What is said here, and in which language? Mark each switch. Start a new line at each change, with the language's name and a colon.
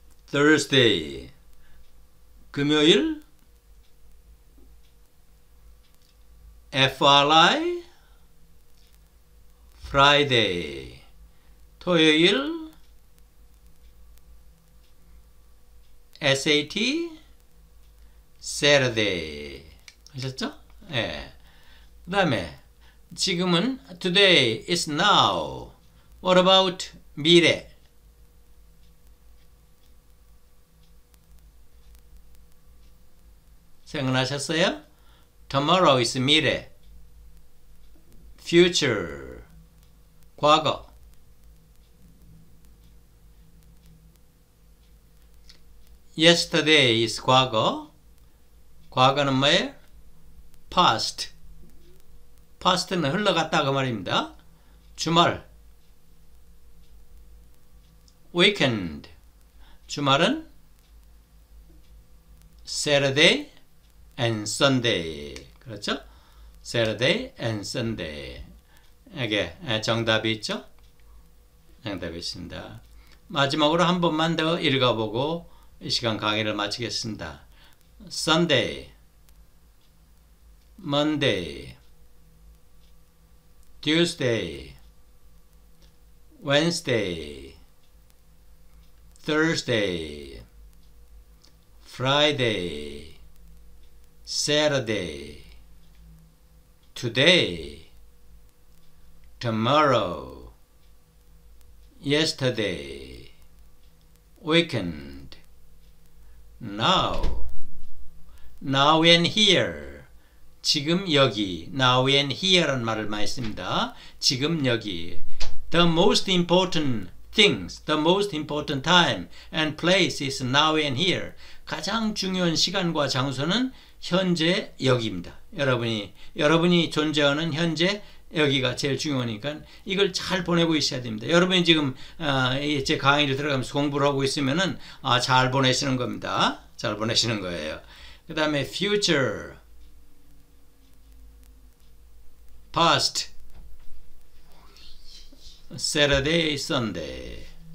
English: Thursday, 금요일, FRI, Friday, 토요일, SAT, Saturday.
Korean: 하셨죠? 예. 그 다음에, 지금은
English: today is now. What about 미래?
Korean: 생각나셨어요?
English: Tomorrow is 미래. Future. 과거. 예스터데이 이즈
Korean: 과거. 과거는 뭐예요? past. past는 흘러갔다 그 말입니다. 주말.
English: weekend.
Korean: 주말은 Saturday and Sunday. 그렇죠? Saturday and Sunday. 이게 정답이 있죠? 정답이 있습니다. 마지막으로 한 번만 더 읽어보고 이 시간 강의를 마치겠습니다.
English: Sunday, Monday, Tuesday, Wednesday, Thursday, Friday, Saturday, Today, Tomorrow, Yesterday, Weekend. Now, now and here.
Korean: 지금 여기,
English: now and here
Korean: 란 말을 많이 씁니다. 지금 여기,
English: The most important things, the most important time and place is now and here.
Korean: 가장 중요한 시간과 장소는 현재 여기입니다. 여러분이 존재하는 현재 여기가 제일 중요하니까 이걸 잘 보내고 있어야 됩니다. 여러분이 지금 제 강의를 들어가면서 공부를 하고 있으면은 잘 보내시는 겁니다. 잘 보내시는 거예요. 그 다음에
English: future, past, Saturday, Sunday.